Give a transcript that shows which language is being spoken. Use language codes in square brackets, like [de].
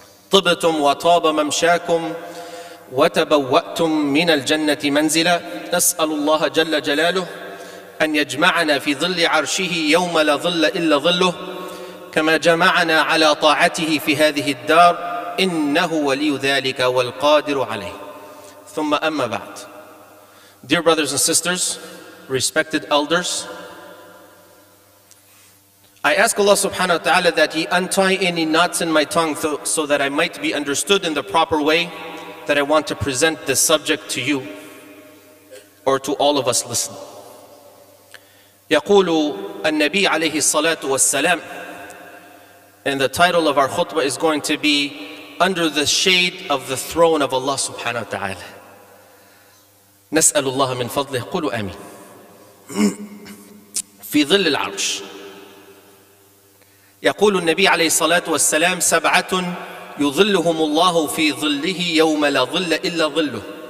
[ar] طبتم وطاب ممشاكم وتبوأتم من الجنة منزلا نسأل الله جل جلاله أن يجمعنا في ظل عرشه يوم لا ظل إلا ظله كما جمعنا على طاعته في هذه الدار إنه ولي ذلك والقادر عليه ثم أما بعد Dear brothers and sisters, respected elders, [en] I ask Allah subhanahu wa ta'ala that He untie any knots in my tongue so that I might be understood in the proper way that I want to present this subject to you or to all of us listening. يقول النبي عليه الصلاة والسلام and the title of our khutbah is going to be Under the Shade of the Throne of Allah subhanahu wa ta'ala. [ar] نسأل الله من فضله قلوا آمين في ظل العرش يقول النبي عليه الصلاة والسلام سبعة يظلهم الله في ظله يوم لا ظل إلا ظله